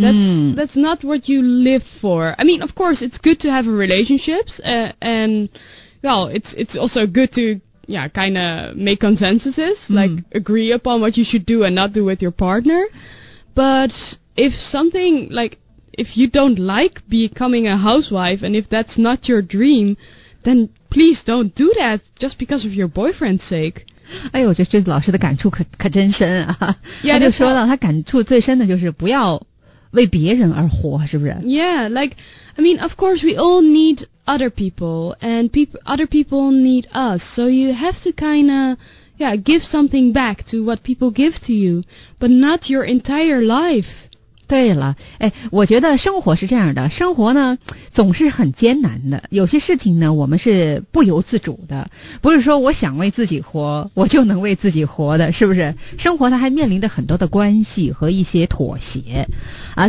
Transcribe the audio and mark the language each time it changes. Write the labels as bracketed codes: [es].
[en] That's not what you live for. I mean, of course, it's good to have relationships, and well, it's also good to, yeah, kind of make consensuses, like agree upon what you should do and not do with your partner, but if something like if you don't like becoming a housewife and if that's not your dream, then please don't do that just because of your boyfriend's sake. [zh] 哎呦，这老师的感触可真深啊。 Yeah, 他就说到他感触最深的就是不要为别人而活，是不是？ [en] Yeah, like, I mean, of course we all need other people and other people need us. So you have to kind of, yeah, give something back to what people give to you, but not your entire life. [zh] 对了，哎，我觉得生活是这样的，生活呢总是很艰难的，有些事情呢我们是不由自主的，不是说我想为自己活我就能为自己活的，是不是？生活它还面临着很多的关系和一些妥协啊。